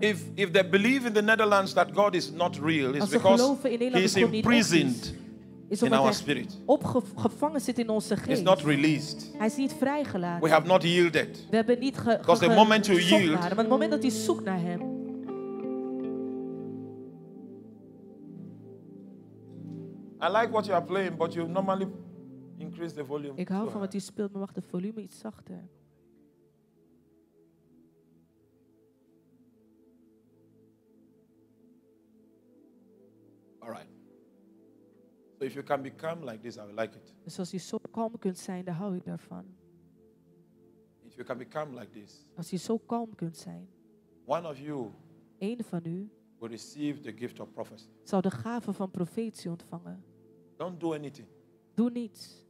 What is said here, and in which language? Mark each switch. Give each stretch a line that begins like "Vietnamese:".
English: If they believe in the Netherlands that God is not real, it's because he is imprisoned in our spirit.
Dutch: Gevangen zit in onze geest.
English: He's not released.
Dutch: Hij is niet vrijgelaten.
English: We have not yielded.
Dutch: We hebben niet
English: because the moment you yield,
Dutch: maar het moment dat hij zoekt naar hem.
English: I like what you are playing, but you normally increase the volume.
Dutch: Ik hou van wat u speelt, maar mag de volume iets zachter.
English: All right. So if you can be calm like this, I would like it.
Dutch: Dus als u zo kalm kunt zijn, dan hou ik daarvan.
English: If you can be calm like this.
Dutch: Als u zo kalm kunt zijn.
English: One of you.
Dutch: Eén van u.
English: Will receive the gift of prophecy.
Dutch: Zal de gave van profetie ontvangen.
English: Don't do anything.
Dutch: Doe niets.